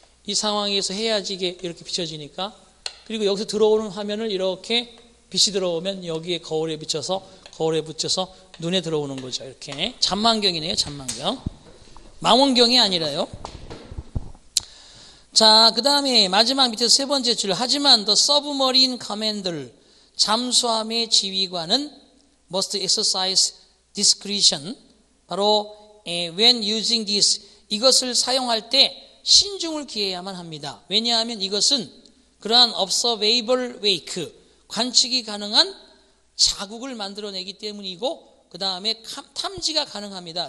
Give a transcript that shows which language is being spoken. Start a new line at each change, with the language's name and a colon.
Korean: 이 상황에서 해야지 이게 이렇게 비춰지니까. 그리고 여기서 들어오는 화면을 이렇게 빛이 들어오면 여기에 거울에 비춰서, 거울에 붙여서 눈에 들어오는 거죠, 이렇게. 잔망경이네요, 잔망경. 망원경이 아니라요. 자, 그 다음에 마지막 밑에 세 번째 줄.
English: 하지만 the submarine commander,
Korean: 잠수함의 지휘관은
English: must exercise discretion.
Korean: 바로
English: when using this,
Korean: 이것을 사용할 때 신중을 기해야만 합니다. 왜냐하면 이것은 그러한
English: observable wake,
Korean: 관측이 가능한 자국을 만들어내기 때문이고, 그 다음에 탐지가 가능합니다.